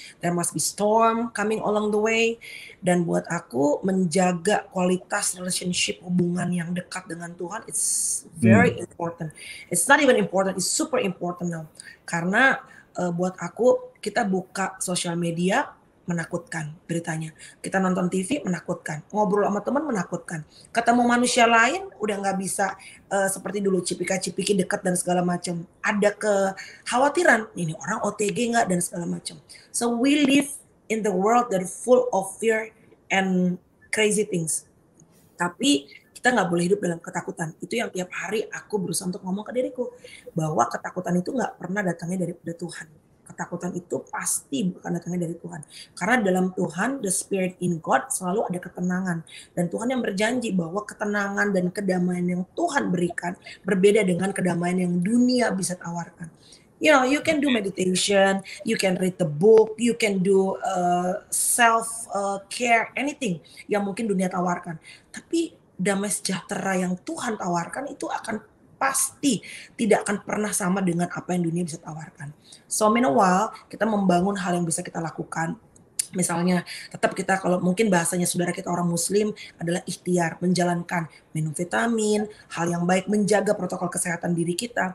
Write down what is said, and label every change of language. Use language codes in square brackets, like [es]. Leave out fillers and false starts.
[en] There must be storm coming along the way. [id] Dan buat aku, menjaga kualitas relationship, hubungan yang dekat dengan Tuhan, [en] it's very important. It's not even important, it's super important now. [id] Karena buat aku, kita buka social media, menakutkan beritanya. Kita nonton TV, menakutkan. Ngobrol sama teman, menakutkan. Ketemu manusia lain, udah gak bisa seperti dulu, cipika-cipiki dekat dan segala macam. Ada kekhawatiran, ini orang OTG gak dan segala macam. [en] So we live in the world that full of fear and crazy things. [id] Tapi kita nggak boleh hidup dalam ketakutan. Itu yang tiap hari aku berusaha untuk ngomong ke diriku, bahwa ketakutan itu nggak pernah datangnya dari Tuhan. Ketakutan itu pasti bukan datangnya dari Tuhan. Karena dalam Tuhan, [en] the spirit in God, [id] selalu ada ketenangan. Dan Tuhan yang berjanji bahwa ketenangan dan kedamaian yang Tuhan berikan berbeda dengan kedamaian yang dunia bisa tawarkan. [en] You know, you can do meditation, you can read the book, you can do self-care, anything [id] yang mungkin dunia tawarkan. Tapi damai sejahtera yang Tuhan tawarkan itu akan pasti tidak akan pernah sama dengan apa yang dunia bisa tawarkan. [en] So meanwhile, [id] kita membangun hal yang bisa kita lakukan. Misalnya, tetap kita, kalau mungkin bahasanya saudara kita orang muslim, adalah ikhtiar, menjalankan, minum vitamin, hal yang baik, menjaga protokol kesehatan diri kita.